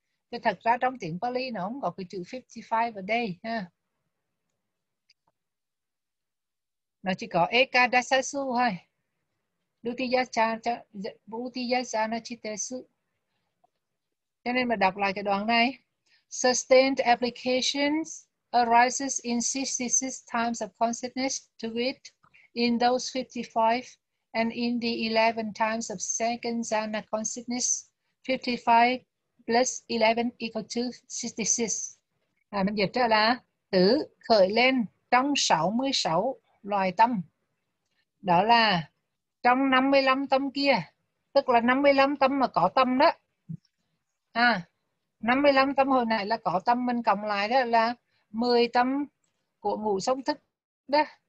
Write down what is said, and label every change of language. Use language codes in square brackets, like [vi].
[vi] Thì thật ra trong tiếng Pali nó không có cái chữ 55 ở đây ha. [pi] Nó chỉ có Ekadasasu thôi. Dutiyachana chitesu. [vi] Cho nên mà đọc lại cái đoạn này. [en] Sustained applications arises in 66 times of consciousness to it in those 55 and in the 11 times of second jhana consciousness. 55 plus 11 equal to 66. [vi] À, mình dịch ra là tử khởi lên trong 66 loài tâm. Đó là trong 55 tâm kia, tức là 55 tâm mà có tâm đó. À, 55 tâm hồi này là có tâm, mình cộng lại đó là 10 tâm của ngũ sống thức đó.